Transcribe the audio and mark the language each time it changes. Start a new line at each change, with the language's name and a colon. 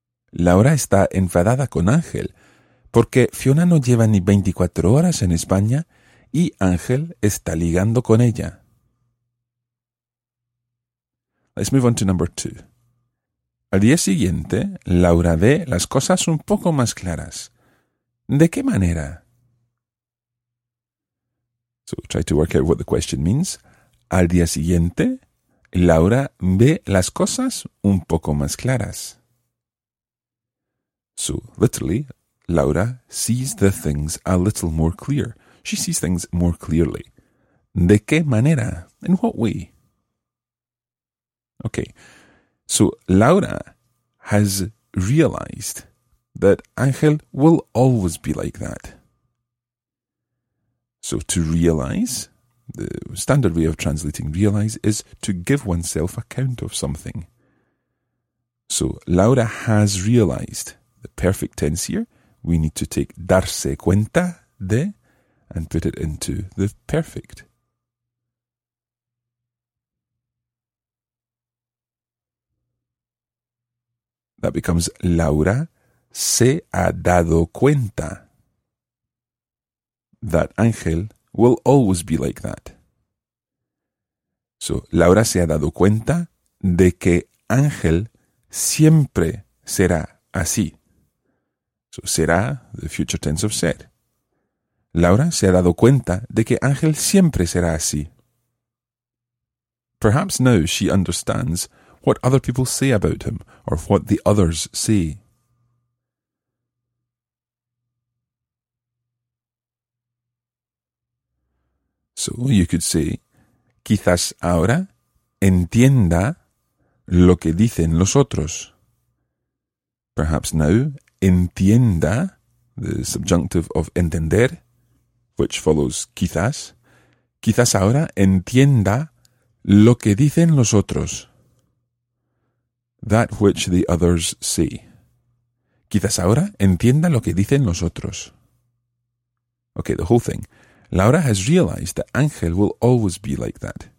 Spanish: Laura está enfadada con Ángel porque Fiona no lleva ni 24 horas en España y Ángel está ligando con ella.
English: Let's move on to number two.
Spanish: Al día siguiente, Laura ve las cosas un poco más claras. ¿De qué manera?
English: So we'll try to work out what the question means.
Spanish: Al día siguiente, Laura ve las cosas un poco más claras.
English: So, literally, Laura sees the things a little more clear. She sees things more clearly.
Spanish: ¿De qué manera?
English: In what way? Okay, so Laura has realized that Ángel will always be like that. So to realize, the standard way of translating realize is to give oneself account of something. So Laura has realized, the perfect tense here, we need to take darse cuenta de and put it into the perfect. That becomes
Spanish: Laura se ha dado cuenta
English: that Ángel will always be like that.
Spanish: So Laura se ha dado cuenta de que Ángel siempre será así.
English: So, será, the future tense of ser.
Spanish: Laura se ha dado cuenta de que Ángel siempre será así.
English: Perhaps now she understands what other people say about him or what the others say. So you could say,
Spanish: quizás ahora entienda lo que dicen los otros.
English: Perhaps now, entienda, the subjunctive of entender, which follows quizás.
Spanish: Quizás ahora entienda lo que dicen los otros.
English: That which the others say.
Spanish: Quizás ahora entienda lo que dicen los otros.
English: Okay, the whole thing. Laura has realized that Ángel will always be like that.